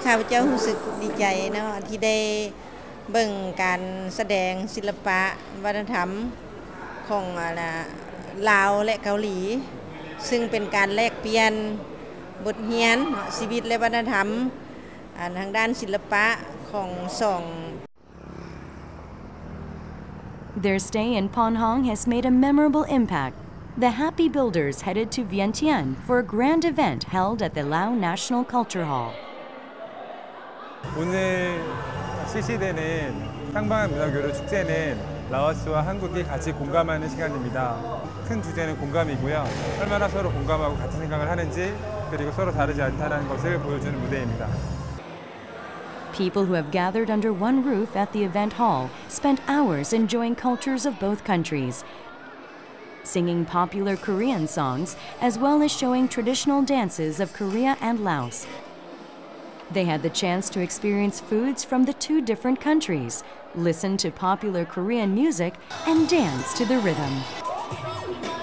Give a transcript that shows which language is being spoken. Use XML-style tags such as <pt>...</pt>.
<en>Their stay in Ponhong has made a memorable impact, The happy builders headed to Vientiane for a grand event held at the Lao National Culture Hall.</en> <ko>오늘 실시되는 쌍방울 문화교류 축제는 라오스와 한국이 같이 공감하는 시간입니다. 큰 주제는 공감이고요. 얼마나 서로 공감하고 같은 생각을 하는지 그리고 서로 다르지 않다는 것을 보여주는 무대입니다.</ko> <en>People who have gathered under one roof at the event hall spent hours enjoying cultures of both countries, singing popular Korean songs, as well as showing traditional dances of Korea and Laos. They had the chance to experience foods from the two different countries, listen to popular Korean music, and dance to the rhythm.</en>